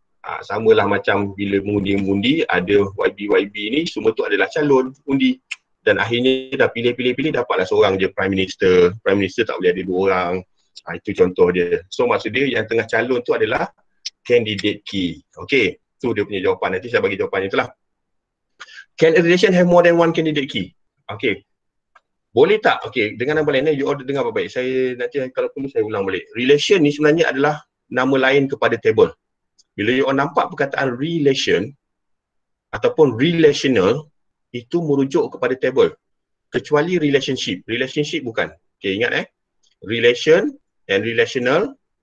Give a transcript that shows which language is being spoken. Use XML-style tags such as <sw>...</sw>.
<ms>Samalah macam bila mengundi-mengundi ada YB-YB ni, semua tu adalah calon undi, dan akhirnya dah pilih-pilih-pilih dapatlah seorang je prime minister. Prime minister tak boleh ada dua orang. Itu contoh dia. So maksud dia yang tengah calon tu adalah candidate key. Okay, tu dia punya jawapan. Nanti saya bagi jawapan itulah.</ms> <en>Can a relation have more than one candidate key?</en> <ms>Okay. Boleh tak? Okay, dengan nama lainnya, you order dengar baik-baik. Saya nanti kalau perlu saya ulang balik. Relation ni sebenarnya adalah nama lain kepada table. Bila you all nampak perkataan relation ataupun relational, itu merujuk kepada table. Kecuali relationship. Relationship bukan. Okay, ingat Relation and relational.</ms>